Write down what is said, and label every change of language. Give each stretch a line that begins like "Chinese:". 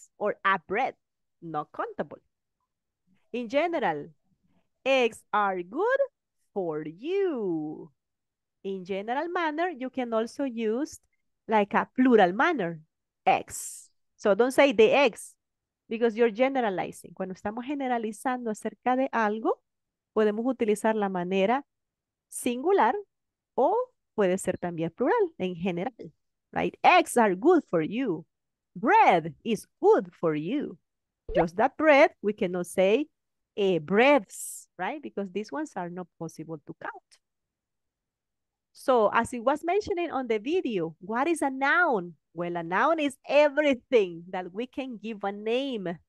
English: Or a bread, not countable. In general, eggs are good for you. In general manner, you can also use like a plural manner, eggs. So don't say the eggs, because you're generalizing.
Spanish: Cuando estamos generalizando acerca de algo, podemos utilizar la manera singular o puede ser también plural, en general.
English: Right? Eggs are good for you. Bread is good for you. Just that bread, we cannot say breads, right? Because these ones are not possible to count. So as it was mentioning on the video, what is a noun? Well, a noun is everything that we can give a name.